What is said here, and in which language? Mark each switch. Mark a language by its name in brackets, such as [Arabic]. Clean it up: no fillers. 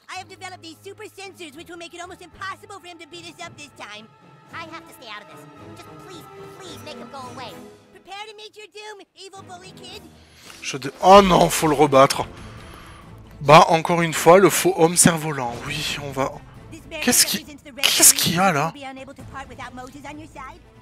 [English] I have developed these super sensors which will make it almost impossible for him to beat us up this time. I have to stay out of this. Just please, please make him go away. Prepare to meet your doom, evil bully kid. [French] Oh non, faut le rebattre. Bah, encore une fois, le faux homme cerf-volant. Oui, on va... Qu'est-ce qu'il y a, là? [English] Be unable to part without Moses on your side?